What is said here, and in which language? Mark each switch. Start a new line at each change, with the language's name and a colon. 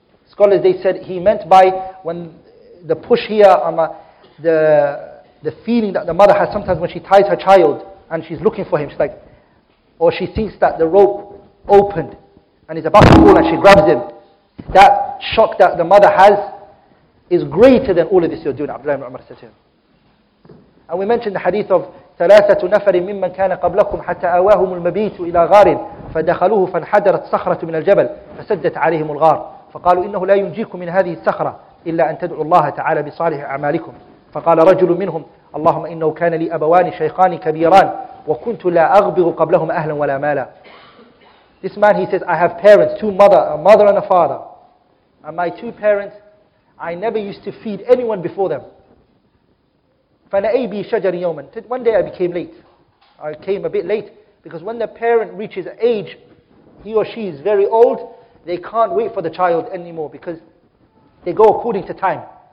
English: Scholars, they said he meant by when the push here, the feeling that the mother has sometimes when she ties her child and she's looking for him, she's like, or she thinks that the rope opened and is about to fall and she grabs him. That shock that the mother has is greater than all of this you're doing, Abdullah ibn Umar said to him. And we mentioned the hadith of
Arabic: ثلاثة نفر ممن كان قبلكم حتى آواهم المبيت إلى غار فدخلوه فانحدرت صخرة من الجبل فسدت عليهم الغار فقالوا إنه لا ينجيكم من هذه الصخرة إلا أن تدعوا الله تعالى بصالح أعمالكم فقال رجل منهم اللهم إنه كان لي أبوان شيخان كبيران وكنت لا أغبغ قبلهم أهلا ولا مالا.
English: This man, he says, I have parents, two mother, a mother and a father, and my two parents, I never used to feed anyone before them.
Arabic: فَنَأَيْبِي شَجَرِ يَوْمًا.
English: One day I became late. I came a bit late because when the parent reaches age, he or she is very old, they can't wait for the child anymore because they go according to time.